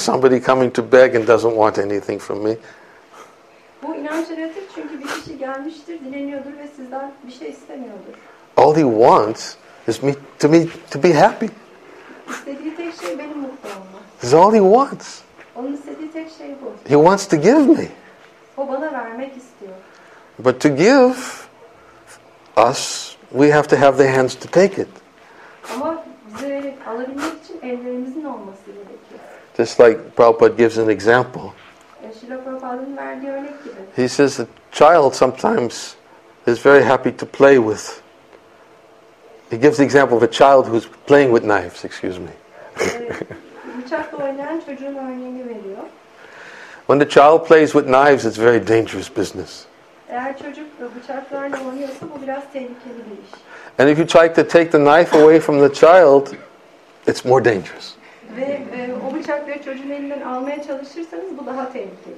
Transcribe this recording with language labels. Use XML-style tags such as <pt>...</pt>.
<en>Somebody coming to beg and doesn't want anything from me.</en> <tr>Bu inanç yaratır çünkü bir kişi gelmiştir, dileniyordur ve sizden bir şey istemiyordur.</tr> <en>All he wants is me to me to be happy.</en> <tr>İstediği tek şey benim mutlu olmam.</tr> <en>It's all he wants.</en> <tr>Onun istediği tek şey bu.</tr> <en>He wants to give me.</en> <tr>O bana vermek istiyor.</tr> <en>But to give us, we have to have the hands to take it.</en> <tr>Ama bize alabilmek için ellerimizin olması gerekiyor.</tr> <en>Just like Prabhupada gives an example.</en> <tr>Srila Prabhupada'nın verdiği örnek gibi.</tr> <en>He says a child sometimes is very happy to play with. He gives the example of a child who's playing with knives, excuse me.</en> <tr>Bıçakla oynayan çocuğun örneğini veriyor.</tr> <en>When the child plays with knives, it's very dangerous business.</en> <tr>Eğer çocuk bıçaklarla oynuyorsa bu biraz tehlikeli bir iş.</tr> <en>And if you try to take the knife away from the child, it's more dangerous.</en> <tr>Ve o bıçakları çocuğun elinden almaya çalışırsanız bu daha tehlikeli.</tr>